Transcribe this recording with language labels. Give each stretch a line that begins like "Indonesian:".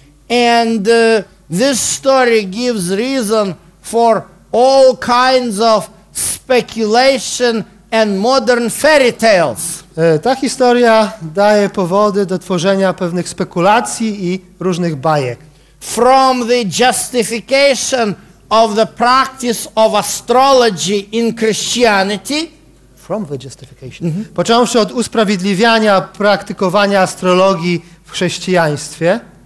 English: And this story gives reason for all kinds of speculation and modern fairy tales.
Polish: Ta historia daje powody do tworzenia pewnych spekulacji i różnych bajek.
English: From the justification of the practice of astrology in Christianity. From the justification. Mm-hmm.
Polish: Począwszy od usprawiedliwiania praktykowania astrologii w chrześcijaństwie.